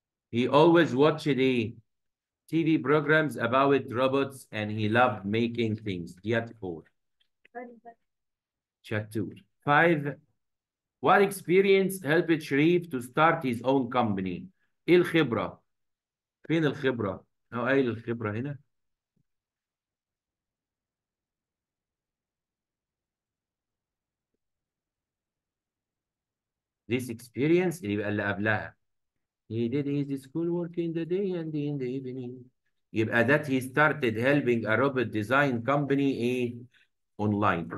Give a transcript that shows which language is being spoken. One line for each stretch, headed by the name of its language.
English: He always watched the TV programs about robots and he loved making things. Yet four. Chapter five. What experience helped Sharif to start his own company?
Arabic: إيه الخبرة؟ فين الخبرة؟ أو أي الخبرة هنا؟
English: This experience
Arabic: اللي يبقى اللي قبلها.
English: He did his school work in the day and in the evening. يبقى that he started helping a robot design company online.